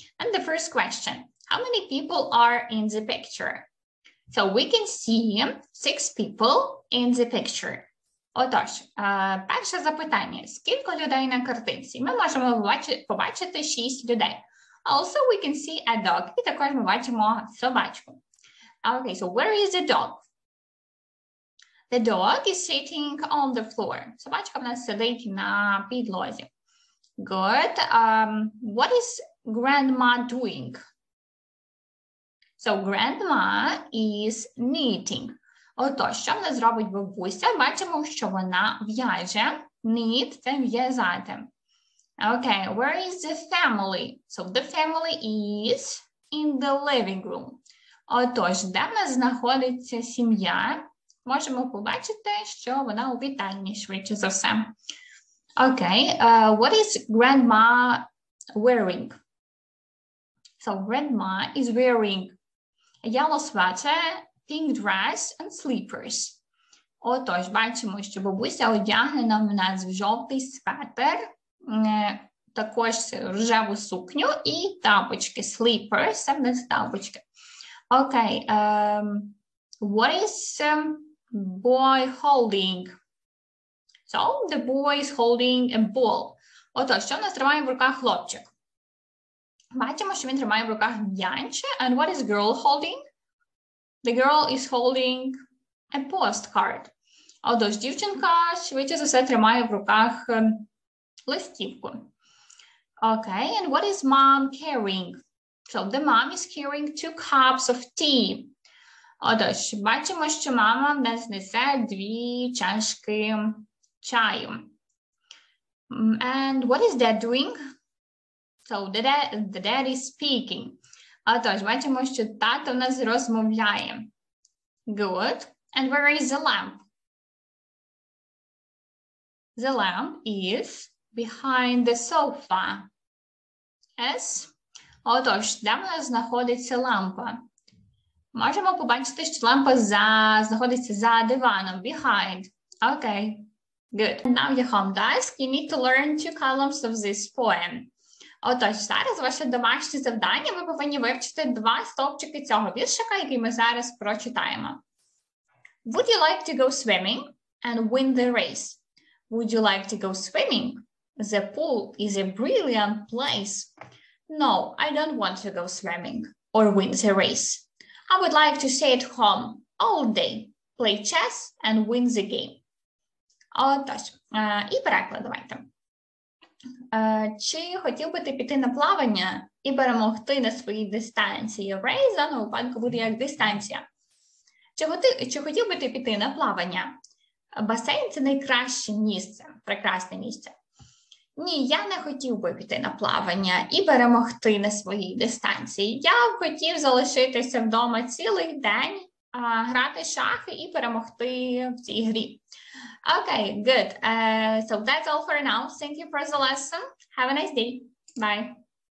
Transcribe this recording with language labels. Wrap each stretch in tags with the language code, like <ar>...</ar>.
<en>And the first question, how many people are in the picture? So we can see six people in the picture.</en> <uk>Отож, перше запитання. Скільки людей на картинці? Ми можемо побачити шість людей.</uk> <en>Also, we can see a dog.</en> <uk>І також ми бачимо собачку.</uk> <en>Okay, so where is the dog? The dog is sitting on the floor.</en> <uk>Собачка в нас сидить на підлозі.</uk> <en>Good. What is grandma doing? So grandma is knitting.</en> <uk>Отож, що вона зробить бабуся? Бачимо, що вона в'яже. Knit – це в'язати.</uk> <en>Okay, where is the family? So the family is in the living room.</en> <uk>Отож, де в нас знаходиться сім'я? Можемо побачити, що вона у вітальні, швидше за все.</uk> <en>Okay, what is grandma wearing? So, grandma is wearing a yellow sweater, pink dress and slippers.</en> <uk>Отож, бачимо, що бабуся одягнена в нас в жовтий светер, також рожеву сукню і тапочки, slippers, це в нас тапочки.</uk> <en>Okay, what is... boy holding. So, the boy is holding a ball.</en> <uk>Отож, що в нас тримає в руках хлопчик? Бачимо, що він тримає в руках м'яч.</uk> <en>And what is girl holding? The girl is holding a postcard.</en> <uk>Отож, дівчинка, швидше за все, тримає в руках листівку.</uk> <en>Okay, and what is mom carrying? So, the mom is carrying two cups of tea.</en> <uk>Отож, бачимо, що мама в нас несе дві чашки чаю.</uk> <en>And what is dad doing? So, the dad is speaking.</en> <uk>Отож, бачимо, що тато в нас розмовляє.</uk> <en>Good. And where is the lamp? The lamp is behind the sofa. Yes?</en> <uk>Отож, де в нас знаходиться лампа? Можемо побачити, що лампа знаходиться за диваном, behind.</uk> <en>Okay, good. Now you're home desk. You need to learn two columns of this poem.</en> <uk>Отож, зараз ваше домашнє завдання, ви повинні вивчити два стовпчики цього віршика, який ми зараз прочитаємо.</uk> <en>Would you like to go swimming and win the race? Would you like to go swimming? The pool is a brilliant place. No, I don't want to go swimming or win the race. I would like to stay at home all day, play chess and win the game.</en> <uk>Отож, і переклад давайте. Чи хотів би ти піти на плавання і перемогти на своїй дистанції? Race, в даному випадку, буде як дистанція. Чи хотів би ти піти на плавання? Басейн – це найкраще місце, прекрасне місце. Ні, я не хотів би піти на плавання і перемогти на своїй дистанції. Я б хотів залишитися вдома цілий день, грати шахи і перемогти в цій грі.</uk> <en>Okay, good. So that's all for now. Thank you for the lesson. Have a nice day. Bye.</en>